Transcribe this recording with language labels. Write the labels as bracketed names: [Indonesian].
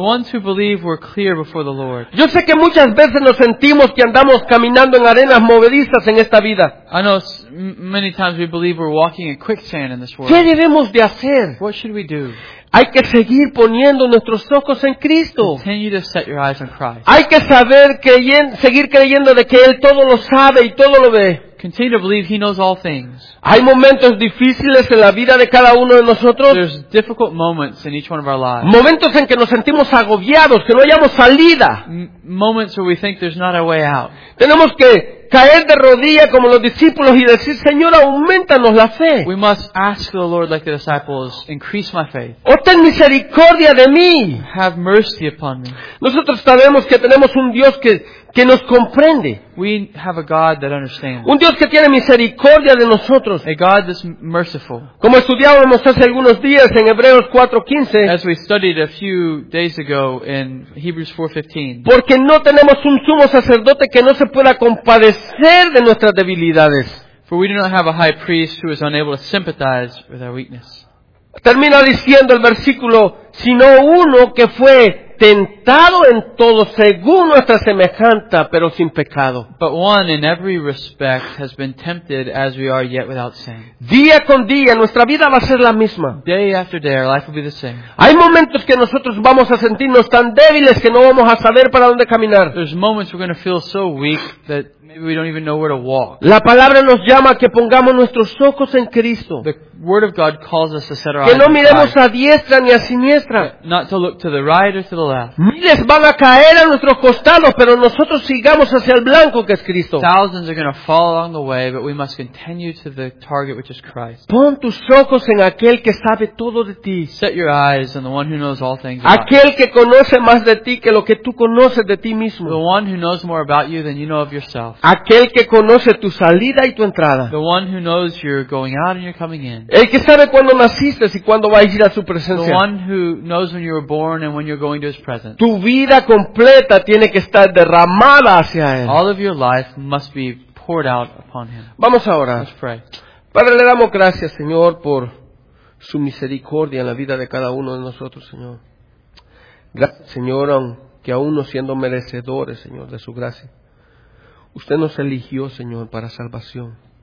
[English] The ones who believe we're clear before the Lord. [Spanish] Yo sé que muchas veces nos sentimos que andamos caminando en arenas movedizas en esta vida. [English] I know many times we believe we're walking in quicksand in this world. [Spanish] ¿Qué debemos de hacer? [English] What should we do? [Spanish] Hay que seguir poniendo nuestros ojos en Cristo. [English] Continue to set your eyes on Christ. [Spanish] Hay que saber seguir creyendo de que Él todo lo sabe y todo lo ve. [English] Continue to believe He knows all things. [Spanish] Hay momentos difíciles en la vida de cada uno de nosotros. [English] There's difficult moments in each one of our lives. [Spanish] Momentos en que nos sentimos agobiados, que no hallamos salida. [English] Moments where we think there's not a way out. [Spanish] Tenemos que caer de rodillas como los discípulos y decir, Señor, aumentanos la fe. [English] We must ask the Lord like the disciples, increase my faith. [Spanish] Oh, ten misericordia de mí. [English] Have mercy upon me. [Spanish] Nosotros sabemos que tenemos un Dios que nos comprende. [English] We have a God that understands. [Spanish] Un Dios que tiene misericordia de nosotros. [English] A God that's merciful. [Spanish] Como estudiábamos hace algunos días en Hebreos 4:15. [English] As we studied a few days ago in Hebrews 4:15. [Spanish] Porque no tenemos un sumo sacerdote que no se pueda compadecer de nuestras debilidades. [English] For we do not have a high priest who is unable to sympathize with our weakness. [Spanish] Termina diciendo el versículo, sino uno que fue tentado en todo según nuestra semejanza, pero sin pecado. [English] But one in every respect has been tempted as we are, yet without sin. [Spanish] Día con día nuestra vida va a ser la misma. [English] Day after day our life will be the same. [Spanish] Hay momentos que nosotros vamos a sentirnos tan débiles que no vamos a saber para dónde caminar. [English] There's moments we're going to feel so weak that we don't even know where to walk. [Spanish] La palabra nos llama que pongamos nuestros ojos en Cristo. [English] The word of God calls us to set our eyes. [Spanish] Que no miremos a diestra ni a siniestra. [English] Not to look to the right or to the left. [Spanish] Miles van a caer a nuestros costados, pero nosotros sigamos hacia el blanco que es Cristo. [English] Thousands are going to fall along the way, but we must continue to the target which is Christ. [Spanish] Pon tus ojos en aquel que sabe todo de ti. [English] Set your eyes on the one who knows all things. [Spanish] Aquel que conoce más de ti que lo que tú conoces de ti mismo. [English] The one who knows more about you than you know of yourself. [Spanish] Aquel que conoce tu salida y tu entrada. [English] The one who knows you're going out and you're coming in. [Spanish] El que sabe cuándo naciste y cuándo vas a ir a su presencia. [English] The one who knows when you were born and when you're going to his presence. [Spanish] Tu vida completa tiene que estar derramada hacia él. [English] All of your life must be poured out upon him. [Spanish] Vamos a orar. [English] Let's pray. [Spanish] Padre, le damos gracias, Señor, por su misericordia en la vida de cada uno de nosotros, Señor. Gracias, Señor, aunque aún no siendo merecedores, Señor, de su gracia, usted nos eligió, Señor, para salvación.